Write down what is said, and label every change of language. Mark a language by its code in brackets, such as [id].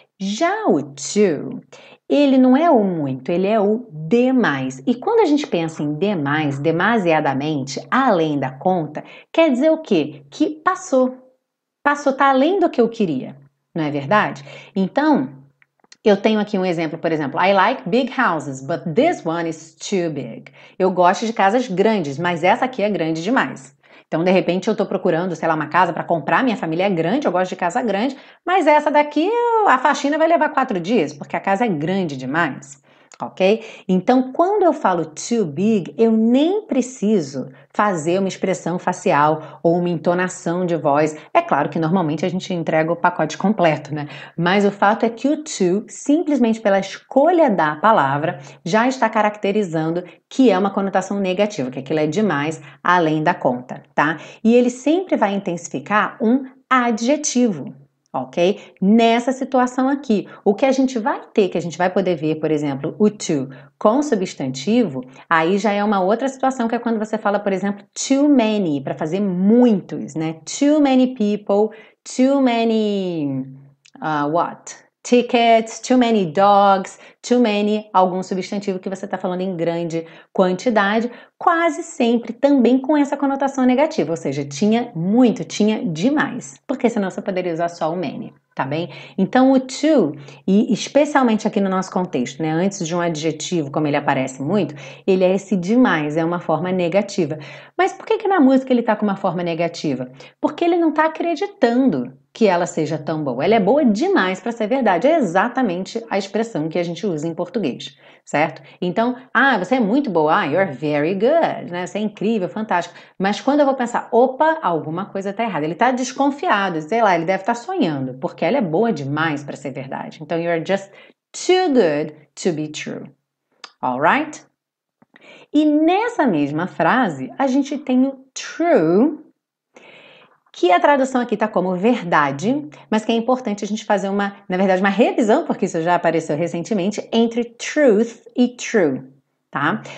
[pt] Já o to, ele não é o muito, ele é o demais. E quando a gente pensa em demais, demasiadamente, além da conta, quer dizer o quê? Que passou. Passou, tá além do que eu queria. Não é verdade? Então, eu tenho aqui um exemplo, por exemplo. [en] I like big houses, but this one is too big. [pt] Eu gosto de casas grandes, mas essa aqui é grande demais. Então, de repente, eu tô procurando, sei lá, uma casa para comprar, minha família é grande, eu gosto de casa grande, mas essa daqui, a faxina vai levar 4 dias, porque a casa é grande demais, ok? Então, quando eu falo too big, eu nem preciso fazer uma expressão facial ou uma entonação de voz. É claro que normalmente a gente entrega o pacote completo, né? Mas o fato é que o to, simplesmente pela escolha da palavra, já está caracterizando que é uma conotação negativa, que aquilo é demais além da conta, tá? E ele sempre vai intensificar um adjetivo, ok? Nessa situação aqui, o que a gente vai ter, que a gente vai poder ver, por exemplo, o to com substantivo, aí já é uma outra situação, que é quando você fala, por exemplo, too many, para fazer muitos, né? [en] Too many people, too many, what? Tickets, too many dogs, [pt] too many, algum substantivo que você está falando em grande quantidade, quase sempre também com essa conotação negativa, ou seja, tinha muito, tinha demais, porque senão você poderia usar só o many, tá bem? Então o too, e especialmente aqui no nosso contexto, né, antes de um adjetivo, como ele aparece muito, ele é esse demais, é uma forma negativa. Mas por que que na música ele está com uma forma negativa? Porque ele não está acreditando que ela seja tão boa. Ela é boa demais para ser verdade. É exatamente a expressão que a gente usa em português, certo? Então, ah, você é muito boa. [en] Ah, you're very good, [pt] né? Você é incrível, fantástico. Mas quando eu vou pensar, opa, alguma coisa tá errada. Ele tá desconfiado, sei lá, ele deve estar sonhando, porque ela é boa demais para ser verdade. Então, [en] you're just too good to be true. All right? [pt] E nessa mesma frase, a gente tem o true, que a tradução aqui está como verdade, mas que é importante a gente fazer uma, na verdade, uma revisão, porque isso já apareceu recentemente, entre truth e true, tá?